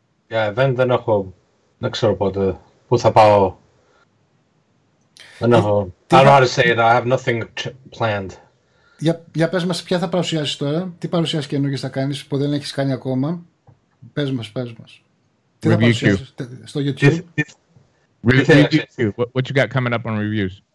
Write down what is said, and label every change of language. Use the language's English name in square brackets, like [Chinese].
[Greek] Για event δεν έχω, δεν ξέρω πότε, πού θα πάω. Δεν έχω, [English] I don't know how to say it, I have nothing planned. [Greek] Για πες μας, ποια θα παρουσιάσεις τώρα, τι παρουσιάσεις καινούργιες θα κάνεις που δεν έχεις κάνει ακόμα. Πες μας. Τι θα παρουσιάσεις στο YouTube. [English] Review, what you got coming up on reviews?